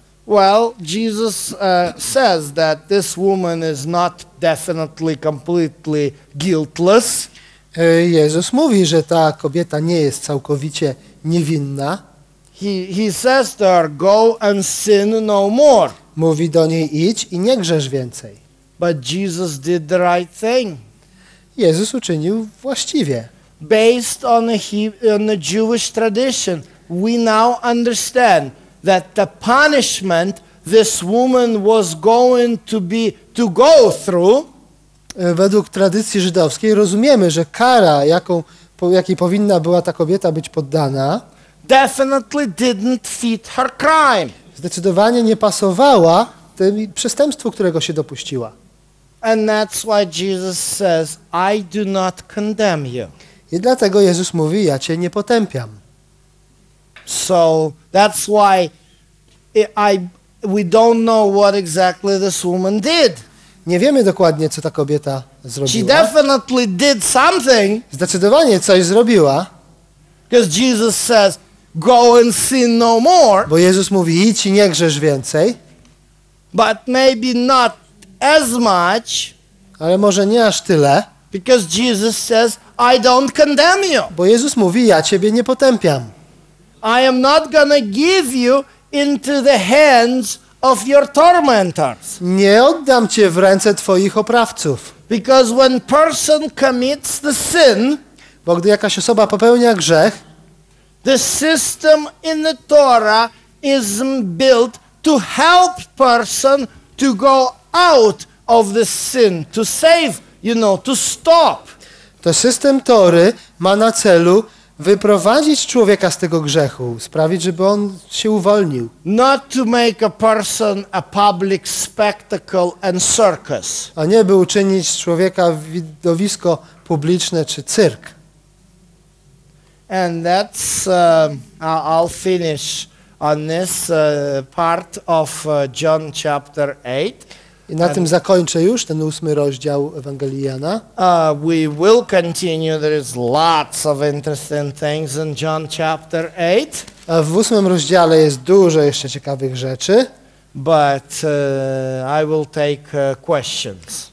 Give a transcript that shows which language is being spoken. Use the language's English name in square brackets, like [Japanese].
[English] Well, Jesus says that this woman is not definitely completely guiltless. [Polish] Jezus mówi, że ta kobieta nie jest całkowicie niewinna. [English] He says to her, go and sin no more. [Polish] Mówi do niej, idź i nie grzesz więcej. [English] But Jesus did the right thing. [Polish] Jezus uczynił właściwie. [English] Based on the Jewish tradition, we now understand that the punishment this woman was going to go through. [Polish] Według tradycji żydowskiej rozumiemy, że kara, jakiej powinna była ta kobieta być poddana, [English] definitely didn't fit her crime. [Polish] Zdecydowanie nie pasowała tym przestępstwu, którego się dopuściła. [English] And that's why Jesus says, I do not condemn you. [Polish] I dlatego Jezus mówi, ja cię nie potępiam. [English] So that's why we don't know what exactly this woman did. [Polish] Nie wiemy dokładnie, co ta kobieta zrobiła. [English] She definitely did something. [Polish] Zdecydowanie coś zrobiła. [English] Because Jesus says, go and sin no more. [Polish] Bo Jezus mówi, idź i nie grzesz więcej. [English] But maybe not as much. [Polish] Ale może nie aż tyle. [English] Because Jesus says, I don't condemn you. [Polish] Bo Jezus mówi, ja ciebie nie potępiam. [English] I am not gonna give you into the hands of your tormentors. [Polish] Nie oddam cię w ręce twoich oprawców. [English] Because when person commits the sin, [Polish] bo gdy jakaś osoba popełnia grzech, [English] the system in the Torah is built to help person to go out of the sin, to save, you know, to stop. [Polish] To system Tory ma na celu wyprowadzić człowieka z tego grzechu, sprawić, żeby on się uwolnił. [English] Not to make a person a public spectacle and circus. [Polish] A nie by uczynić człowieka widowisko publiczne czy cyrk. [English] And that's I'll finish on this part of John chapter 8. [Polish] I na tym zakończę już ten ósmy rozdział Ewangelii Jana. [English] We will continue. There is lots of interesting things in John chapter 8. [Polish] A w ósmym rozdziale jest dużo jeszcze ciekawych rzeczy. [English] But I will take questions.